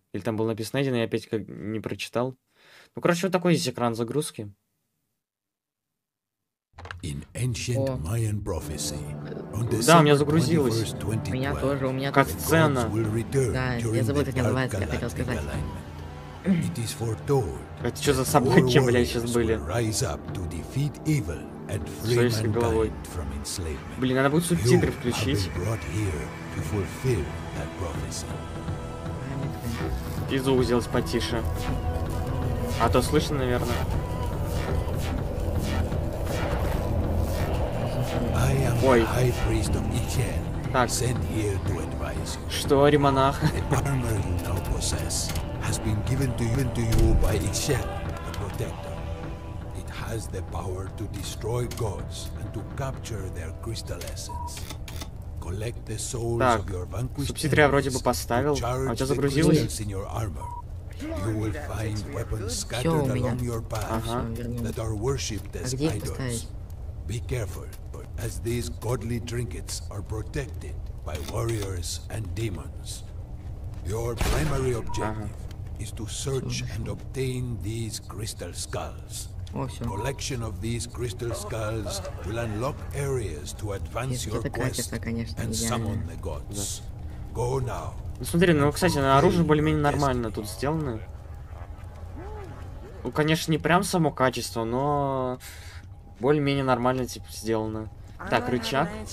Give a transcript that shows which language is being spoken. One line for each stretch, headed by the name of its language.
Russian: Или там было написано найден, я опять как не прочитал. Ну, короче, вот такой здесь экран загрузки.
English: In ancient Mayan prophecy, on December 21st, 2012,
Russian: катсцена. Да, я забыл, как это называется, я хотел сказать.
English: It is foretold.
Russian: Это что за собаки, блядь, сейчас были?
English: Rise up to defeat evil and free mankind from enslavement.
Russian: Блин, надо будет субтитры включить.
English: Brought here to fulfill that prophecy.
Russian: Пизу сделать потише. А то слышно, наверное.
English: I am the High Priest of Ichen, sent here to advise you.
Russian: Что, аримонах?
English: The armor you now possess has been given to you by Ichen, the Protector. It has the power to destroy gods and to capture their crystal essence. Collect the souls
Russian: так,
English: of your vanquished
Russian: субтитры я вроде бы поставил, а у тебя загрузилось?
English: You will find weapons scattered along your path that are worshipped as idols. Be careful. As these godly trinkets are protected by warriors and demons. Your primary objective is to search and obtain these crystal skulls. Awesome. Collection of these crystal skulls will unlock areas to advance your quest and summon the gods. Go now.
Russian: Ну смотри, ну кстати, на оружие более-менее нормально тут сделано. Ну конечно не прям само качество, но более-менее нормально типа сделано. Так, рычаг.